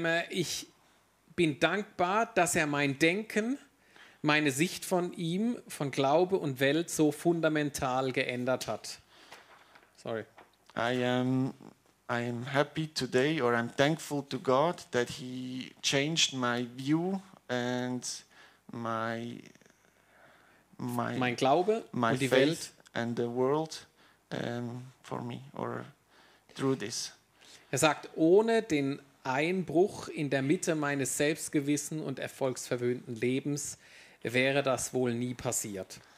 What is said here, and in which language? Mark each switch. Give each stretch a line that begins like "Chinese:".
German: Ich bin dankbar, dass er mein Denken, meine Sicht von ihm, von Glaube und Welt so fundamental geändert hat.
English: Sorry. I am happy today, or I'm thankful to God that he changed my view and
German: mein Glaube,
English: my
German: und die Welt
English: and the world for me or through this.
German: Er sagt, ohne den Einbruch in der Mitte meines selbstgewissen und erfolgsverwöhnten Lebens wäre das wohl nie passiert.